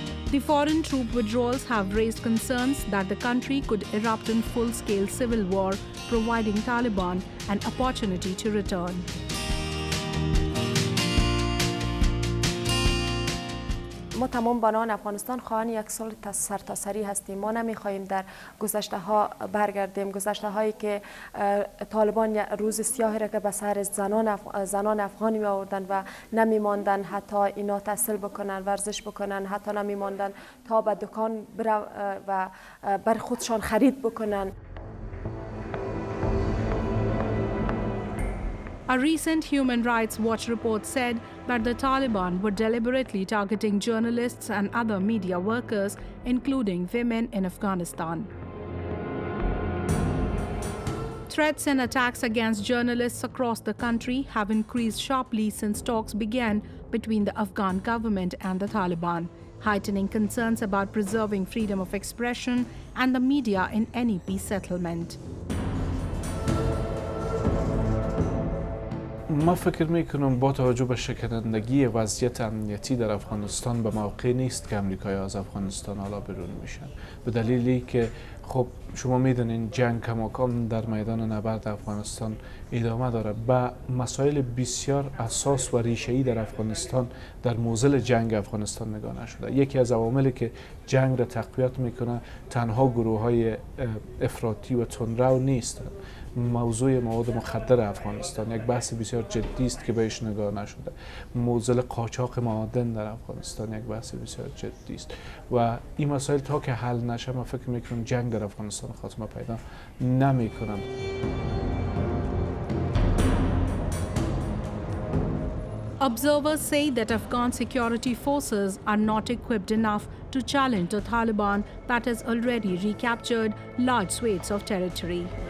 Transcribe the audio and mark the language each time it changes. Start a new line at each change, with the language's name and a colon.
English: The foreign troop withdrawals have raised concerns that the country could erupt in full-scale civil war, providing Taliban an opportunity to return.
Persian: ما تمام بانوان افغانستان خواهان یک سال سرتاسری هستیم. ما نمیخواهیم در گذشته ها برگردیم. گذشته هایی که طالبان روز سیاه را که به سر زنان افغانی آوردن و نمیماندن حتی اینا تحصیل بکنن، ورزش بکنن، حتی نمیماندن تا به دکان و بر خودشان خرید بکنن.
English: A recent Human Rights Watch report said that the Taliban were deliberately targeting journalists and other media workers, including women in Afghanistan. Threats and attacks against journalists across the country have increased sharply since talks began between the Afghan government and the Taliban, heightening concerns about preserving freedom of expression and the media in any peace settlement.
Persian: ما فکر میکنم با توجه به شکنندگی وضعیت امنیتی در افغانستان به موقع نیست که امریکایی از افغانستان حالا بیرون میشن. به دلیلی که خب شما میدونین جنگ کماکان در میدان نبرد افغانستان ادامه داره. به مسائل بسیار اساس و ریشه‌ای در افغانستان در موزل جنگ افغانستان نگاه نشده. یکی از عواملی که جنگ را تقویت میکنه تنها گروه های افراطی و تندرو نیستن. موضوع مواد مخدر افغانستان یک بحث بسیار جدی است که بهش نگاه نشده. موزل قاچاق معادن در افغانستان یک بحث بسیار جدی است و این مسائل تا که حل نشه من فکر میکنم جنگ در افغانستان خاتمه پیدا نمیکنم.
English: Observers say that Afghan security forces are not equipped enough to challenge the Taliban that has already recaptured large swathes of territory.